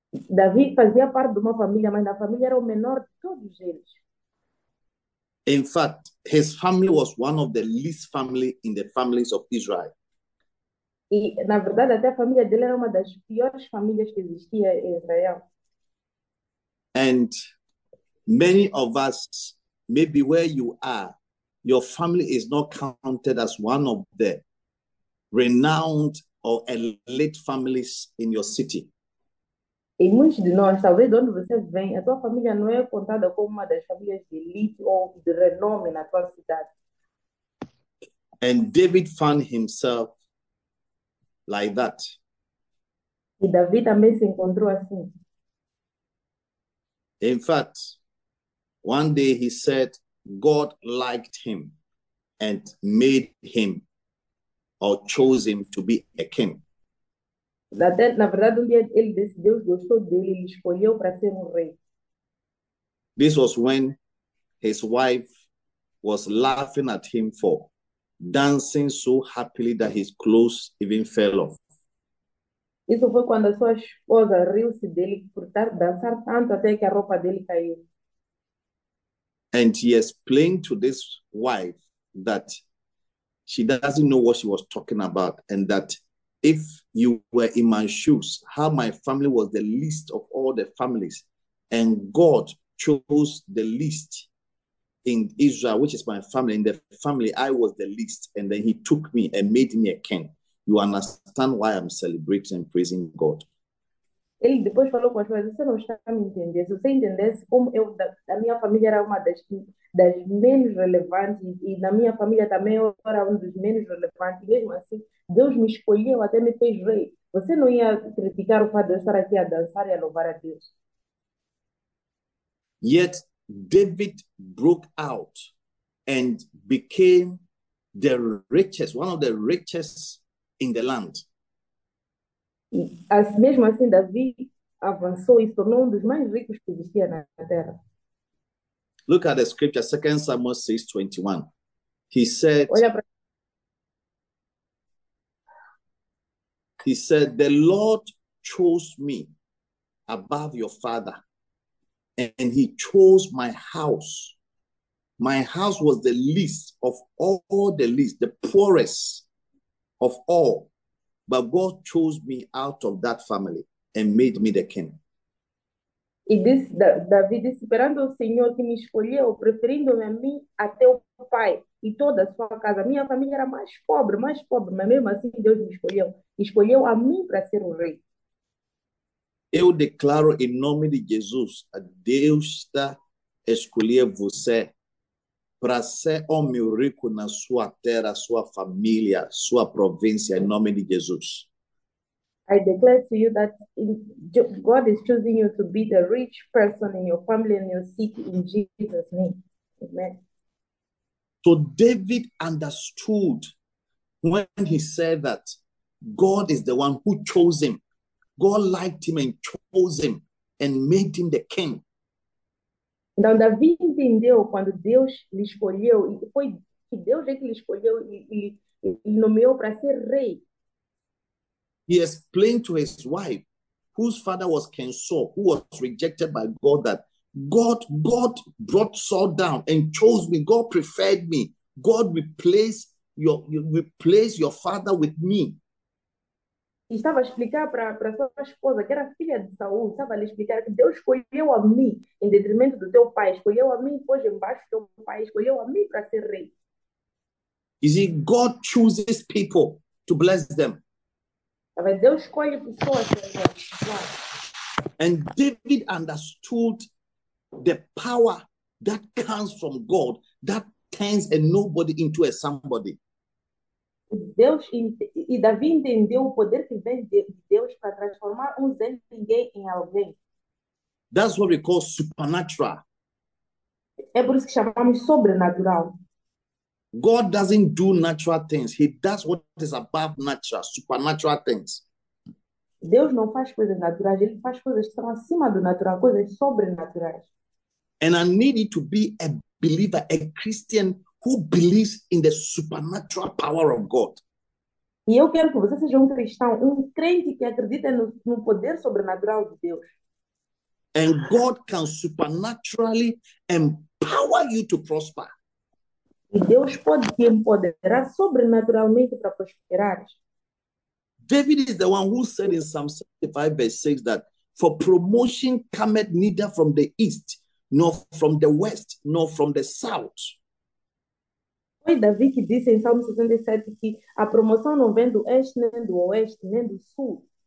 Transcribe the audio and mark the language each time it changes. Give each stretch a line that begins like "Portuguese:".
Portuguese: Davi fazia parte de uma família, mas na família era o menor de todos eles.
English: In fact, his family was one of the least family in the families of Israel.
Portuguese: E, na verdade, até a família dele era uma das piores famílias que existia em Israel.
English: And many of us, maybe where you are, your family is not counted as one of the renowned or elite families in your city.
Portuguese: E muitos de nós, talvez de onde você vem, a tua família não é contada como uma das famílias de elite ou de renome na tua cidade.
English: And David found himself like that.
Portuguese: E Davi também se encontrou assim.
English: In fact, one day he said God liked him and made him or chose him to be a king.
Portuguese: Na verdade, um dia ele disse, Deus gostou dele, ele escolheu para ser um rei.
English: This was when his wife was laughing at him for dancing so happily that his clothes even fell off.
Portuguese: Isso foi quando a sua esposa riu-se dele por dançar tanto até que a roupa dele caiu.
English: And he explained to this wife that she doesn't know what she was talking about, and that if you were in my shoes, how my family was the least of all the families, and God chose the least in Israel, which is my family. In the family, I was the least, and then he took me and made me a king. You understand why I'm celebrating and praising God?
Portuguese: Ele depois falou com as pessoas, você não está a me entender. Se você entendesse como eu, a minha família era uma das menos relevantes e na minha família também eu era um dos menos relevantes, mesmo assim, Deus me escolheu, até me fez rei. Você não ia criticar o fato de eu estar aqui a dançar e a louvar a Deus.
English: Yet David broke out and became the richest, one of the richest in the land.
Portuguese: Mesmo assim, Davi avançou e se tornou um dos mais ricos que existia na Terra.
English: Look at the scripture, 2 Samuel 6:21. He said,
Portuguese: olha para...
English: The Lord chose me above your father. And he chose my house. My house was the least of all the least, the poorest of all. But God chose me out of that family and made me the king.
Portuguese: E disse, Davi disse, esperando o Senhor que me escolheu, preferindo-me a mim até o pai e toda a sua casa. Minha família era mais pobre, mas mesmo assim Deus me escolheu. Escolheu a mim para ser o rei. Eu declaro em nome de Jesus, a Deus está escolhendo você para ser homem rico na sua terra, sua família, sua província, em nome de Jesus.
English: I declare to you that God is choosing you to be the rich person in your family and your city in Jesus' name. Amen. So David understood when he said that God is the one who chose him. God liked him and chose him and made him the king.
Portuguese: Então, Davi entendeu quando Deus lhe escolheu, e foi que Deus é que lhe escolheu e nomeou para ser rei.
English: He explained to his wife, whose father was King Saul, who was rejected by God, that God brought Saul down and chose me. God preferred me. God replaced your father with me.
Portuguese: E estava a explicar para sua esposa, que era filha de Saul, estava a lhe explicar que Deus escolheu a mim em detrimento do teu pai, escolheu a mim pois embaixo do teu pai, escolheu a mim para ser rei.
English: You see, God chooses people to bless them.
Portuguese: Mas Deus escolhe pessoas para abençoar.
English: And David understood the power that comes from God that turns a nobody into a somebody.
Portuguese: Deus, e Davi entendeu o poder que vem de Deus para transformar um zé ninguém em alguém.
English: That's what we call supernatural.
Portuguese: É por isso que chamamos sobrenatural.
English: God doesn't do natural things. He does what is above natural, supernatural things.
Portuguese: Deus não faz coisas naturais. Ele faz coisas que estão acima do natural, coisas sobrenaturais.
English: And I need it to be a believer, a Christian who believes in the supernatural power of God.
Portuguese: E eu quero que você seja um cristão, um crente que acredita no poder sobrenatural de Deus.
English: And God can supernaturally empower you to prosper.
Portuguese: E Deus pode te empoderar sobrenaturalmente para prosperar.
English: David is the one who said in Psalm 75, verse 6, that for promotion cometh neither from the east, nor from the west, nor from the south.
Portuguese: Foi Davi que disse em Salmo 67 que a promoção não vem do este, nem do oeste, nem do sul.